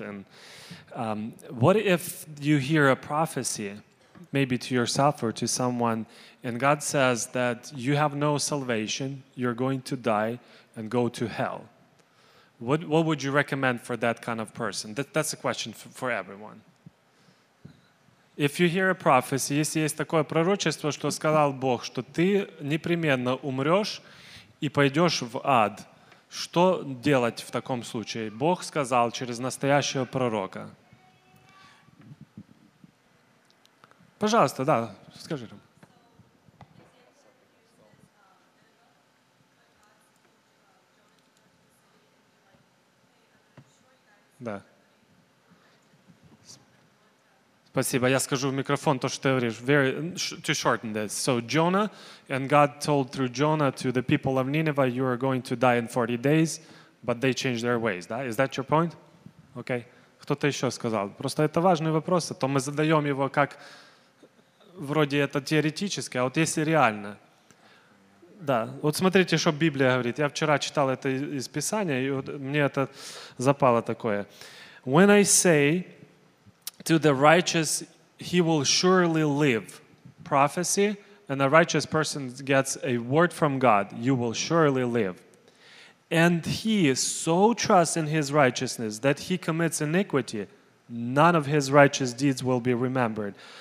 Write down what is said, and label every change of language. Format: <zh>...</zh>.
<en>And what if you hear a prophecy, maybe to yourself or to someone, and God says that you have no salvation, you're going to die and go to hell? What would you recommend for that kind of person? That's a question for everyone. If you hear a prophecy,</en> <ru>если есть такое пророчество, что сказал Бог, что ты непременно умрешь и пойдешь в ад, что делать в таком случае? Бог сказал через настоящего пророка. Пожалуйста, да, скажи нам. Да. Спасибо. Я скажу в микрофон то, что ты говоришь.</ru> <en>Very to shorten this. So Jonah, and God told through Jonah to the people of Nineveh, you are going to die in 40 days, but they changed their ways.</en> <ru>Да?</ru> <en>Is that your point? Okay.</en> <ru>Кто-то еще сказал. Просто это важный вопрос, а то мы задаем его как вроде это теоретически, а вот если реально. Да. Вот смотрите, что Библия говорит. Я вчера читал это из Писания, и вот мне это запало такое.</ru> <en>When I say to the righteous, he will surely live. Prophecy, and the righteous person gets a word from God, you will surely live. And he so trusts in his righteousness that he commits iniquity, none of his righteous deeds will be remembered.</en>